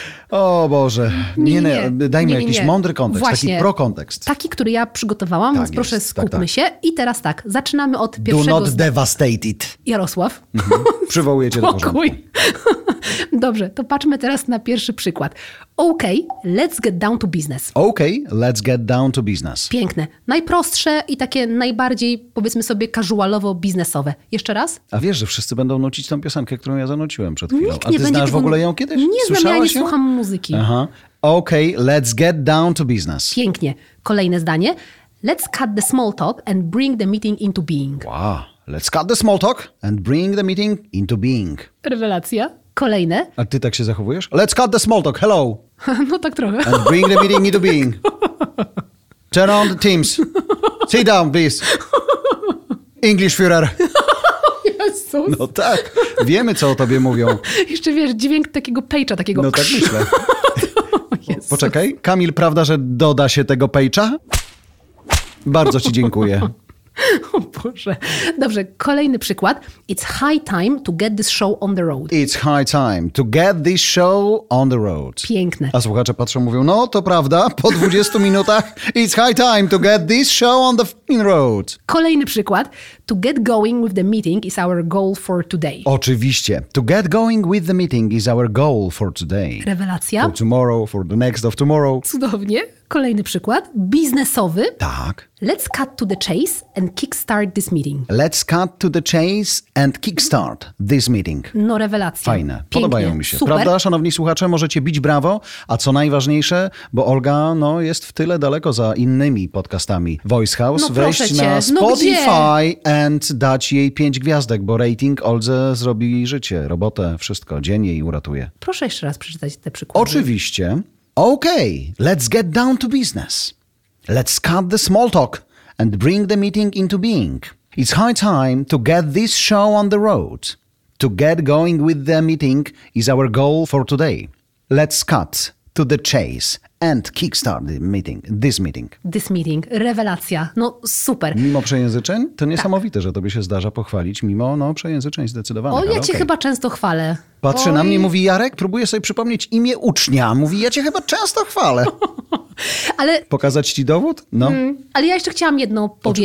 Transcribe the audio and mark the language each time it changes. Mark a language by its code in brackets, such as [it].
[pl] O Boże, nie, dajmy jakiś mądry kontekst, właśnie, taki pro-kontekst. Taki, który ja przygotowałam, tak więc jest. Proszę skupmy się. I teraz tak, zaczynamy od pierwszego... [en] Do not devastate it. [pl] Jarosław. Przywołuję cię do porządku. Dobrze, to patrzmy teraz na pierwszy przykład. [en] Okay, let's get down to business. Okay, let's get down to business. [pl] Piękne. Najprostsze i takie najbardziej, powiedzmy sobie, casualowo biznesowe. Jeszcze raz? A wiesz, że wszyscy będą nucić tą piosenkę, którą ja zanuciłem przed chwilą. Nikt nie a ty znasz w ogóle ją kiedyś? Nie słyszałaś znam, ja nie ją? Słucham muzyki. Aha. Okay, let's get down to business. Pięknie. Kolejne zdanie. [en] Let's cut the small talk and bring the meeting into being. Wow. Let's cut the small talk and bring the meeting into being. [pl] Rewelacja. Kolejne. A ty tak się zachowujesz? [en] Let's cut the small talk. Hello. [pl] No tak trochę. [en] And bring the meeting into being. Turn on the teams. Sit down, please. English Führer. [pl] Jezus. No tak. Wiemy, co o tobie mówią. Jeszcze wiesz, dźwięk takiego page'a, takiego... No tak myślę. Poczekaj. Kamil, prawda, że doda się tego pejcza? Bardzo ci dziękuję. O Boże. Dobrze, kolejny przykład. [en] It's high time to get this show on the road. It's high time to get this show on the road. [pl] Piękne. A słuchacze patrzą, mówią, no to prawda, po 20 minutach. [en] It's high time to get this show on the f***ing road. [pl] Kolejny przykład. [en] To get going with the meeting is our goal for today. [pl] Oczywiście. [en] To get going with the meeting is our goal for today. [pl] Rewelacja. [en] For tomorrow, for the next of tomorrow. [pl] Cudownie. Kolejny przykład, biznesowy. Tak. [en] Let's cut to the chase and kickstart this meeting. Let's cut to the chase and kickstart this meeting. [pl] No rewelacja. Fajne. Pięknie. Podobają mi się. Super. Prawda, szanowni słuchacze, możecie bić brawo, a co najważniejsze, bo Olga no, jest w tyle daleko za innymi podcastami Voice House. No, wejść proszę cię. Na Spotify no, and dać jej 5 gwiazdek, bo rating Olze zrobi życie, robotę, wszystko, dzień jej uratuje. Proszę jeszcze raz przeczytać te przykłady. Oczywiście. [en] Okay, let's get down to business. Let's cut the small talk and bring the meeting into being. It's high time to get this show on the road. To get going with the meeting is our goal for today. Let's cut to the chase and kickstart the meeting, this meeting. This meeting, [pl] rewelacja, no super. Mimo przejęzyczeń, to niesamowite, tak. Że tobie się zdarza pochwalić, mimo no, przejęzyczeń zdecydowanych. O, ja cię chyba często chwalę. Patrzy na mnie, mówi Jarek, próbuje sobie przypomnieć imię ucznia. Mówi, ja cię chyba często chwalę. Ale... Pokazać ci dowód? No. Ale ja jeszcze chciałam jedno powiedzieć.